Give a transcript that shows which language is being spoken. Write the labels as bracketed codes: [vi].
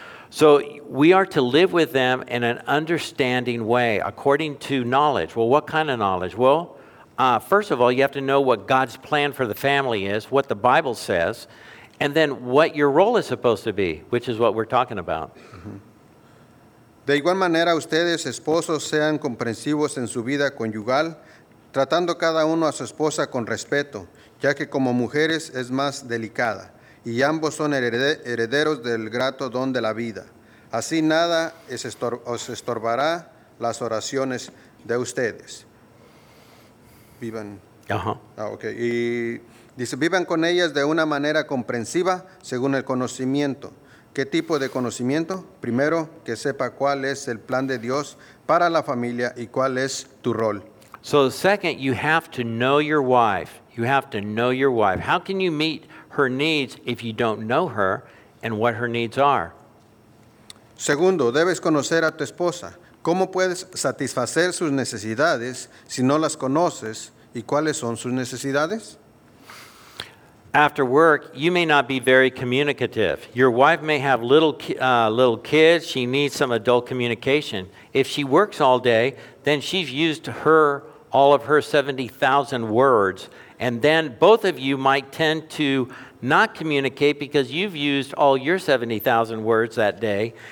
[en] So we are to live with them in an understanding way, according to knowledge. Well, what kind of knowledge? Well, first of all, you have to know what God's plan for the family is, what the Bible says, and then what your role is supposed to be, which is what we're talking about. [es] De igual manera, ustedes, esposos, sean comprensivos en su vida conyugal, tratando cada uno a su esposa con respeto, ya que como mujeres es más delicada, y ambos son herederos del grato don de la vida. Así nada os estorbará las oraciones de ustedes. Vivan. Ajá. Ah, ok. Y dice, vivan con ellas de una manera comprensiva según el conocimiento. ¿Qué tipo de conocimiento? Primero, que sepa cuál es el plan de Dios para la familia y cuál es tu rol. [en] So second, you have to know your wife. You have to know your wife. How can you meet her needs if you don't know her and what her needs are? [es] Segundo, debes conocer a tu esposa. ¿Cómo puedes satisfacer sus necesidades si no las conoces y cuáles son sus necesidades? [en] After work, you may not be very communicative. Your wife may have little kids. She needs some adult communication. If she works all day, then she's used all of her 70,000 words. And then both of you might tend to not communicate because you've used all your 70,000 words that day.